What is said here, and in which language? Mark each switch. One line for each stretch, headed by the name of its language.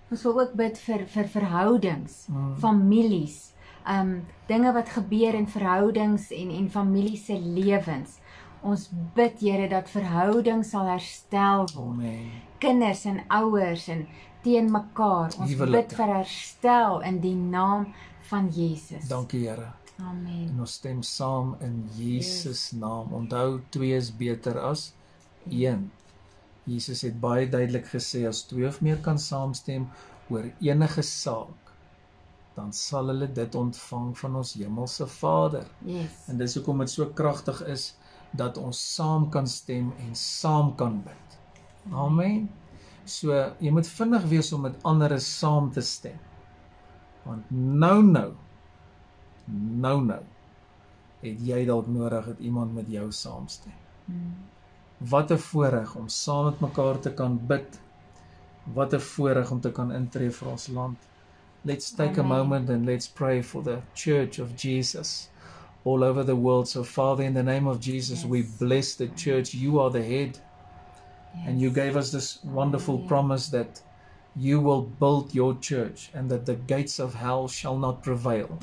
Afrikaans: Ons wil ook bid vir verhoudings, families, dinge wat gebeur in verhoudings en familie se lewens. Ons bid Here dat verhouding sal herstel word. Amen. Kinders en ouers en teen mekaar. Ons Hevelike. Bid vir herstel in die naam van Jesus. Dankie Here. Amen. En ons stem saam in Jesus naam. Onthou, twee is beter as een. Jesus het baie duidelik gesê as twee of meer kan saamstem oor enige saak, dan sal hulle dit ontvang van ons hemelse Vader.
English: Yes.
Afrikaans: En dis hoekom dit so kragtig is dat ons saam kan stem en saam kan bid. Amen. So jy moet vinnig wees om met ander saam te stem. Want nou het jy dalk nodig dat iemand met jou saamstem. Wat 'n voorreg om saam met mekaar te kan bid. Wat 'n voorreg om te kan intree vir ons land.
English: Let's take Amen. A moment and let's pray for the Church of Jesus all over the world. So Father, in the name of Jesus, yes. we bless the church. You are the head. Yes. And you gave us this wonderful Amen. Promise that you will build your church and that the gates of hell shall not prevail.